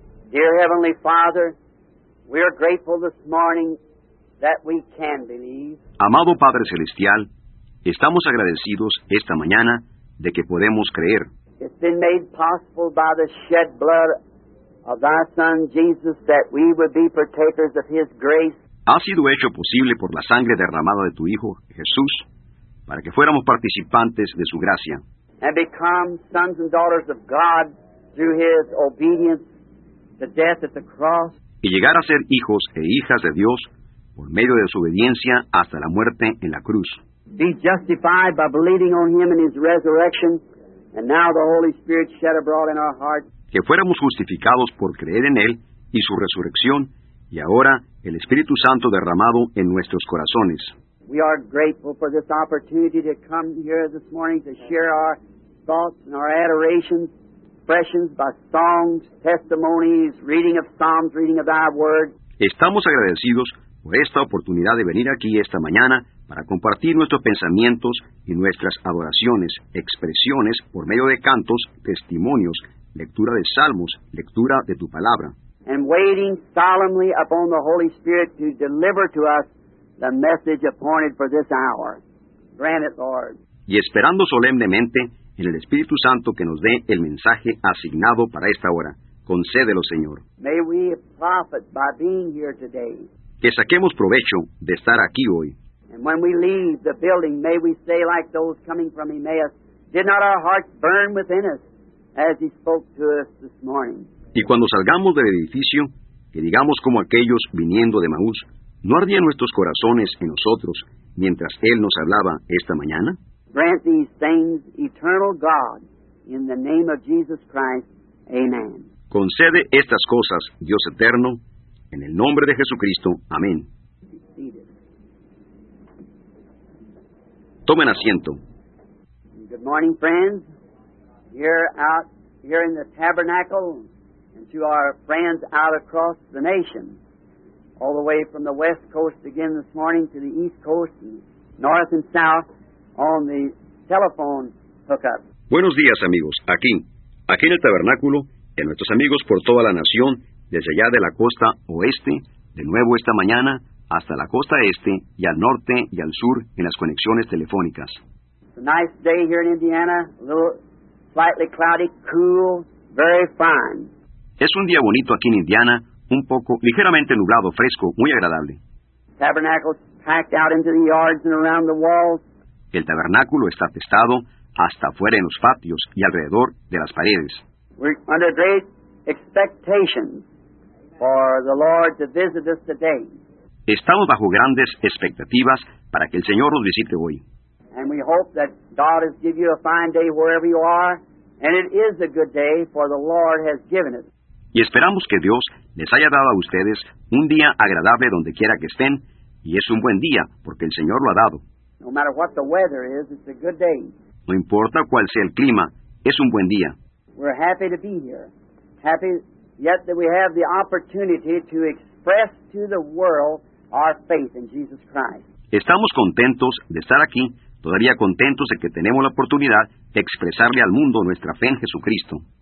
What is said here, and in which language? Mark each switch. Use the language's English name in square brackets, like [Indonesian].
[English] Dear Heavenly Father, we are grateful this morning that we can believe. [Spanish] Amado Padre Celestial, estamos agradecidos esta mañana de que podemos creer. [English] It's been made possible by the shed blood of thy Son Jesus that we would be partakers of his grace. [Spanish] Ha sido hecho posible por la sangre derramada de tu Hijo Jesús para que fuéramos participantes de su gracia. [English] And become sons and daughters of God through his obedience to death at the cross. [Spanish] Y llegar a ser hijos e hijas de Dios por medio de su obediencia hasta la muerte en la cruz. [English] Be justified by believing on him in his resurrection, and now the Holy Spirit shed abroad in our hearts. [Spanish] Que fuéramos justificados por creer en él y su resurrección, y ahora el Espíritu Santo derramado en nuestros corazones. [English] We are grateful for this opportunity to come here this morning to share our thoughts and our adorations, expressions by songs, testimonies, reading of Psalms, reading of thy word. [Spanish] Estamos agradecidos por esta oportunidad de venir aquí esta mañana para compartir nuestros pensamientos y nuestras adoraciones, expresiones por medio de cantos, testimonios, lectura de Salmos, lectura de tu palabra. [English] And waiting solemnly upon the Holy Spirit to deliver to us the message appointed for this hour. Grant it, Lord. [Spanish] Y esperando solemnemente en el Espíritu Santo que nos dé el mensaje asignado para esta hora. Concédelo, Señor. [English] May we profit by being here today. [Spanish] Que saquemos provecho de estar aquí hoy. [English] And when we leave the building, may we say like those coming from Emmaus, did not our hearts burn within us as he spoke to us this morning? [Spanish] Y cuando salgamos del edificio, que digamos como aquellos viniendo de Emaús, ¿no ardían nuestros corazones en nosotros mientras Él nos hablaba esta mañana? [English] Grant these things, eternal God, in the name of Jesus Christ. Amen. [Spanish] Concede estas cosas, Dios eterno, en el nombre de Jesucristo. Amén. Tomen asiento. [English] Good morning, friends. Here out here in the tabernacle, and to our friends out across the nation, all the way from the west coast again this morning to the east coast and north and south on the telephone hookup. [Spanish] Buenos días, amigos. Aquí en el tabernáculo, y a nuestros amigos por toda la nación, desde allá de la costa oeste, de nuevo esta mañana, hasta la costa este, y al norte y al sur en las conexiones telefónicas. [English] It's a nice day here in Indiana, a little slightly cloudy, cool, very fine. [Spanish] Es un día bonito aquí en Indiana, un poco ligeramente nublado, fresco, muy agradable. [English] Tabernacle packed out into the yards and around the walls. [Spanish] El tabernáculo está atestado hasta afuera en los patios y alrededor de las paredes. [English] We're under great expectations for the Lord to visit us today. [Spanish] Estamos bajo grandes expectativas para que el Señor nos visite hoy. [English] And we hope that God has given you a fine day wherever you are, and it is a good day for the Lord has given it. [Spanish] Y esperamos que Dios les haya dado a ustedes un día agradable donde quiera que estén, y es un buen día porque el Señor lo ha dado. [English] No matter what the weather is, it's a good day. [Spanish] No importa cuál sea el clima, es un buen día. [English] We're happy to be here. Happy yet that we have the opportunity to express to the world our faith in Jesus Christ. [Spanish] Estamos contentos de estar aquí, todavía contentos de que tenemos la oportunidad de expresarle al mundo nuestra fe en Jesucristo.